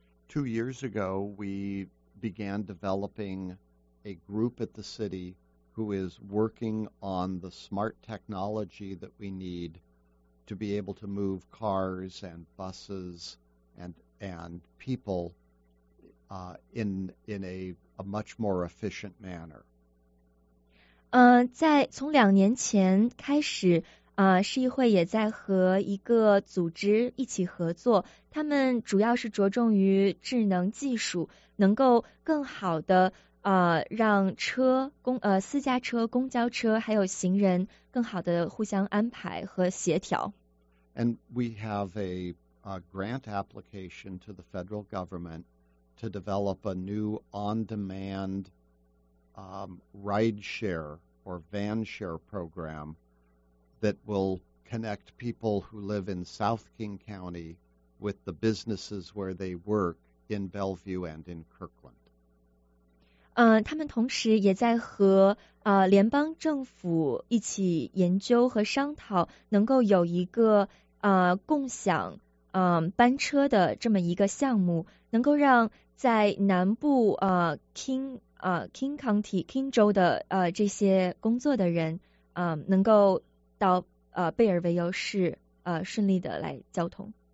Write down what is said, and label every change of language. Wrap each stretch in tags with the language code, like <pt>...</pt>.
<en>2 years ago, we began developing a group at the city who is working on the smart technology that we need to be able to move cars and buses and people in a much more efficient manner.</en> <zh>在从2年前开始，市议会也在和一个组织一起合作，他们主要是着重于智能技术，能够更好的让车公私家车、公交车还有行人更好的互相安排和协调。</zh> <en>And we have a grant application to the federal government. To develop a new on-demand rideshare or van-share program that will connect people who live in South King County with the businesses where they work in Bellevue and in Kirkland.</en> <zh>他们同时也在和联邦政府一起研究和商讨，能够有一个共享班车的这么一个项目，能够让在南部King County King 州的这些工作的人能够到贝尔维尤市顺利的来交通。</zh>